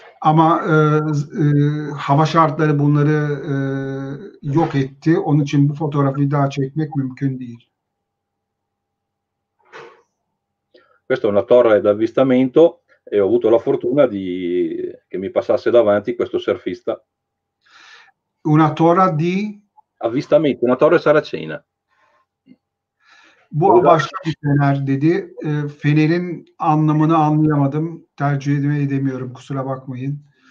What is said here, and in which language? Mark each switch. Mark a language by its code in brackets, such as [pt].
[tr] Ama hava şartları bunları yok etti. Onun için bu fotoğrafı daha çekmek mümkün değil. [it] Questa è una torre d'avvistamento e ho avuto la fortuna di che mi passasse davanti questo surfista. Una torre di avvistamento, una torre saracena. [tr] Bu başka bir fener dedi. Fenerin anlamını anlayamadım. Tercüme edemiyorum. Kusura bakmayın.